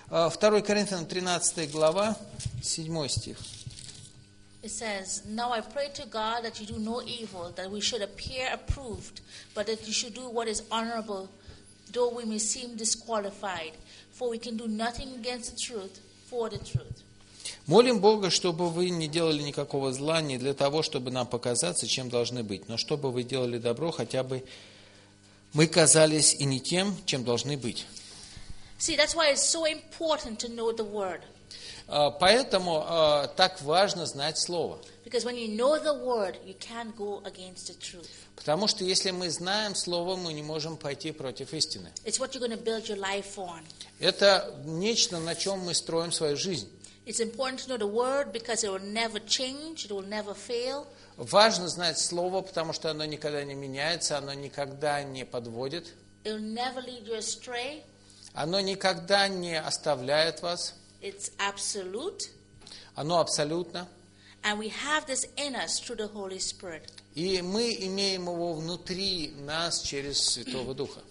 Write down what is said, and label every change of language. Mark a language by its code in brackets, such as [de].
[ru] Второй Коринфянам 13 глава, 7 стих. [en] It says, "Now I pray to God that you do no evil, that we should appear approved, but that you should do what is honorable, though we may seem disqualified, for we can do nothing against the truth, for the truth." [ru] Молим Бога, чтобы вы не делали никакого зла, не для того, чтобы нам показаться, чем должны быть, но чтобы вы делали добро, хотя бы мы казались и не тем, чем должны быть. [en] See, that's why it's so important to know the word. [ru] Поэтому так важно знать Слово. [en] Because when you know the word, you can't go against the truth. [ru] Потому что если мы знаем Слово, мы не можем пойти против истины. [en] It's what you're going to build your life on. [ru] Это нечто, на чем мы строим свою жизнь. [en] It's important to know the word because it will never change, it will never fail. [ru] Важно знать Слово, потому что оно никогда не меняется, оно никогда не подводит. [en] It will never lead you astray. [ru] Оно никогда не оставляет вас. [en] It's absolute. [ru] Оно абсолютно. [en] And we have this in us through the Holy Spirit. [ru] И мы имеем его внутри нас через Святого Духа.